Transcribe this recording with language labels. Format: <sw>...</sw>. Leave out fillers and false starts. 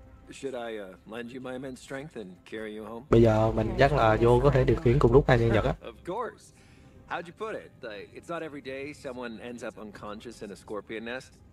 <en>Should I lend you my immense strength and carry you home?</en> <vi>Bây giờ mình chắc là vô có thể điều khiển cùng lúc hai nhân vật á.</vi> <en>Of course. How'd you put it? It's not every day someone ends up unconscious in a scorpion nest.</en>